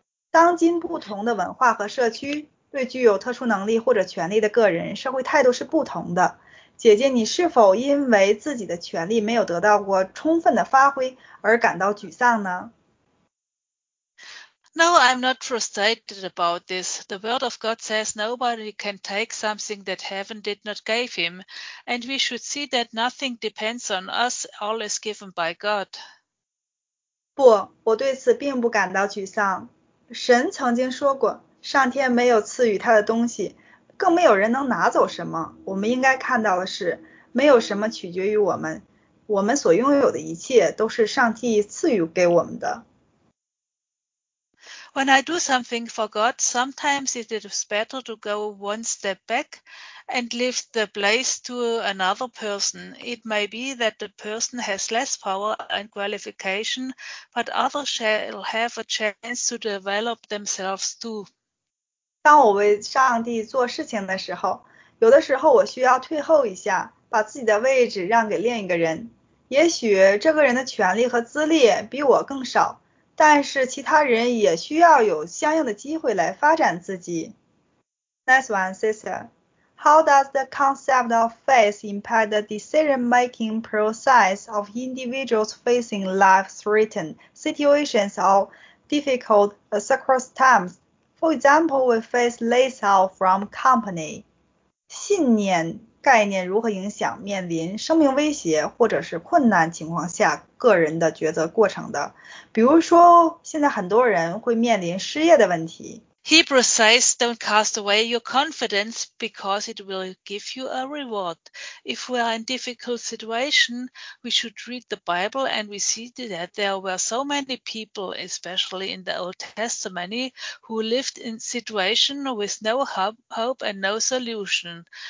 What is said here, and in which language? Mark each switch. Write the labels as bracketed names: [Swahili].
[Chinese] 当今不同的文化和社区对具有特殊能力或者权力的个人社会态度是不同的。姐姐，你是否因为自己的权力没有得到过充分的发挥而感到沮丧呢？ [English] No, I'm not frustrated about this. The Word of God says nobody can take something that heaven did not give him, and we should see that nothing depends on us, all is given by God. [Chinese] 不，我对此并不感到沮丧。神曾经说过，上天没有赐予他的东西，更没有人能拿走什么。我们应该看到的是，没有什么取决于我们，我们所拥有的一切都是上帝赐予给我们的。 [English] When I do something for God, sometimes it is better to go one step back and leave the place to another person. It may be that the person has less power and qualification, but others shall have a chance to develop themselves too. [Chinese] 当我为上帝做事情的时候，有的时候我需要退后一下，把自己的位置让给另一个人。也许这个人的权力和资历比我更少，但是其他人也需要有相应的机会来发展自己。 [English] Next one, sister. How does the concept of faith impact the decision-making process of individuals facing life-threatening situations or difficult circumstances? For example, we face layoff from company. [Chinese] 信念概念如何影响面临生命威胁或者是困难情况下个人的抉择过程的？比如说，现在很多人会面临失业的问题。 [English] Hebrews says, don't cast away your confidence because it will give you a reward. If we are in a difficult situation, we should read the Bible and we see that there were so many people, especially in the Old Testament, who lived in a situation with no hope and no solution.